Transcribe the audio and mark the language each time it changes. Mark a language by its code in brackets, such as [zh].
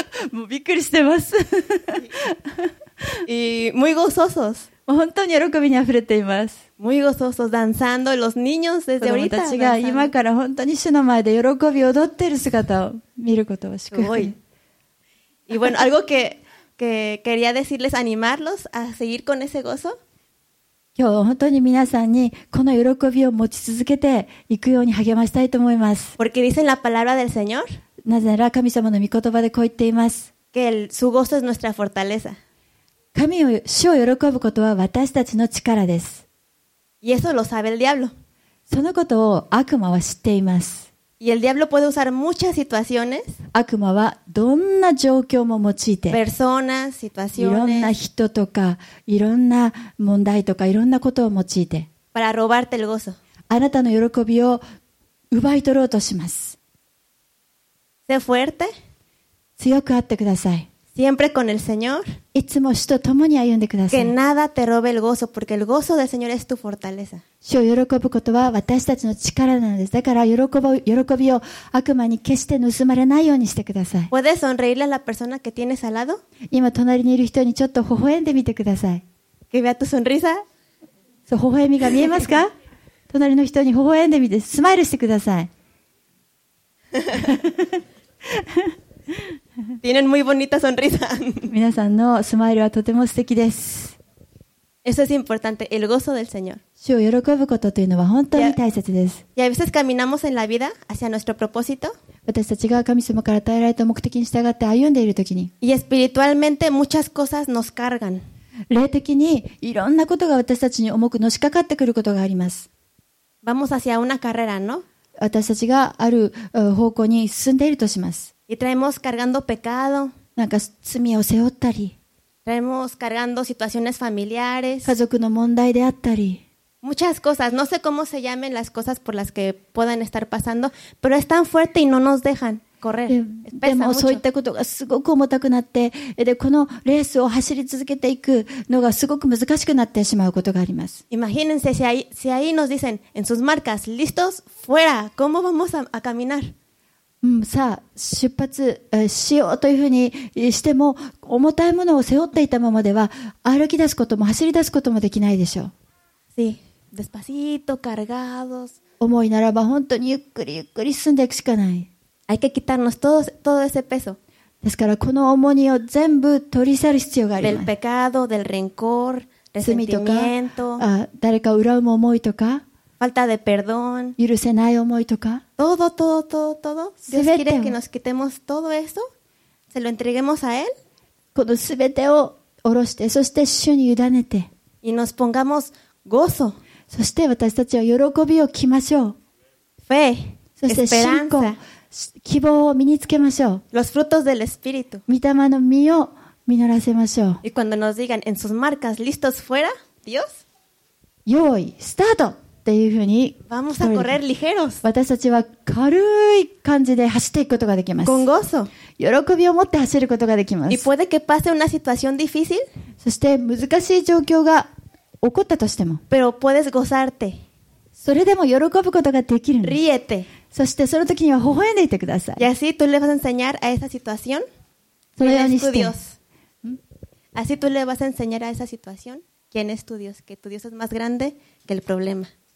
[ja] もうびっくりしてます。 [es] Y muy gozosos. [ja] 本当に喜びにあふれています。 [es] Muy gozoso danzando los niños desde ahorita. [ja] 子供たちが今から本当に主の前で喜び踊っている姿を見ることを祝福に。 [es] Y bueno, algo que quería decirles, animarlos a seguir con ese gozo. [ja] 今日本当に皆さんにこの喜びを持ち続けていくように励ましたいと思います。 [es] Porque dice la palabra del Señor. [ja] なぜなら神様の御言葉でこう言っています。 [es] Que su gozo es nuestra fortaleza. [ja] 死を喜ぶことは私たちの力です。 [es] Y eso lo sabe el diablo. [ja] そのことを悪魔は知っています。 [es] Y el diablo puede usar muchas situaciones. [ja] 悪魔はどんな状況も用いて、 [es] personas, situaciones, [ja] いろんな人とか、いろんな問題とか、いろんなことを用いて、 [es] para robarte el gozo. [ja] あなたの喜びを奪い取ろうとします。 [es] Sé fuerte. [ja] 強くあってください。 [es] Siempre con el Señor. [ja] いつも主と共に歩んでください。 [es] Que nada te robe el gozo, porque el gozo del Señor es tu fortaleza. [ja] 主を喜ぶことは私たちの力なのです。だから喜びを悪魔に決して盗まれないようにしてください。 [es] Puedes sonreírle a la persona que tienes al lado? [ja] 今隣にいる人にちょっと微笑んでみてください。 [es] Que vea tu sonrisa? [ja] そう、微笑みが見えますか？隣の人に微笑んでみて、スマイルしてください。 [es] Tienen muy bonita sonrisa. [ja] 皆さんのスマイルはとても素敵です。 [es] Eso es importante, el gozo del Señor. [ja] 主を喜ぶことというのは本当に大切です。 [es] Y a veces caminamos en la vida hacia nuestro propósito. [ja] 私たちが神様から与えられた目的に従って歩んでいるときに。 [es] Y espiritualmente muchas cosas nos cargan. [ja] 霊的にいろんなことが私たちに重くのしかかってくることがあります。 [es] Vamos hacia una carrera, ¿no? [ja] 私たちがある方向に進んでいるとします。 [es] Y traemos cargando pecado. [ja] なんか罪を背負ったり。 [es] Traemos cargando situaciones familiares. [ja] 家族の問題であったり。 [es] Muchas cosas. No sé cómo se llamen las cosas por las que puedan estar pasando. Pero es tan fuerte y no nos dejan correr. [ja] でもそういったことがすごく重たくなって、で、このレースを走り続けていくのがすごく難しくなってしまうことがあります。 [es] Imagínense si ahí nos dicen en sus marcas, listos, fuera. ¿Cómo vamos a caminar? [ja] うん、さあ出発しようというふうにしても重たいものを背負っていたままでは歩き出すことも走り出すこともできないでしょう。 [es] Sí, despacito, cargados. [ja] 重いならば本当にゆっくりゆっくり進んでいくしかない。 [es] Hay que quitarnos todo ese peso. [ja] ですからこの重荷を全部取り去る必要があります。 [es] Del pecado, del rencor, resentimiento. [ja] 罪とか、誰か恨む思いとか。 [es] Falta de perdón. [ja] 許せない思いとか。 [es] Todo. Dios quiere que nos quitemos todo eso. Se lo entreguemos a Él. [ja] この全てを下ろして、そして主に委ねて。 [es] Y nos pongamos gozo. [ja] そして私たちは喜びを着ましょう。 [es] Fe. [ja] そして信仰、 [es] esperanza. [ja] 希望を身につけましょう。 [es] Los frutos del Espíritu. [ja] 御霊の実を実らせましょう。 [es] Y cuando nos digan en sus marcas, listos fuera, Dios. [ja] 用意、スタートっていうふうに [es] Vamos a correr ligeros. [ja] 私たちは軽い感じで走っていくことができます。 [es] Con gozo. [ja] 喜びを持って走ることができます。 [es] Y puede que pase una situación difícil. [ja] そして難しい状況が起こったとしても [es] Pero puedes gozarte. [ja] それでも喜ぶことができるんです [es] 。 Ríete. [ja] そしてその時には微笑んでいてください。 [es] Y así tú le vas a enseñar a esa situación. [ja] そのようにして [es] Así tú le vas a enseñar a esa situación. ¿Quién es tu Dios? Que tu Dios es más grande que el problema.